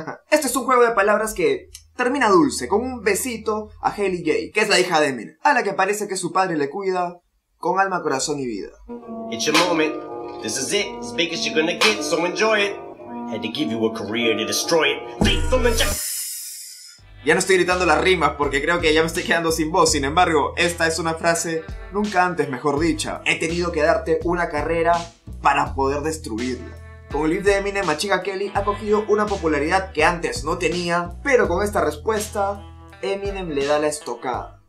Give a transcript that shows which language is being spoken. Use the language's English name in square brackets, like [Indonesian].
[Spanish] Este es un juego de palabras que termina dulce, con un besito a Hailey Jay, que es la hija de Eminem, a la que parece que su padre le cuida con alma, corazón y vida. [English] It's your moment. This is it. As big as you're gonna get, so enjoy it. Had to give you a career to destroy it. Lethal injection. [Spanish] Ya no estoy gritando las rimas porque creo que ya me estoy quedando sin voz. Sin embargo, esta es una frase nunca antes mejor dicha. He tenido que darte una carrera para poder destruirla. Con el beat de Eminem, Machine Gun Kelly ha cogido una popularidad que antes no tenía, pero con esta respuesta, Eminem le da la estocada.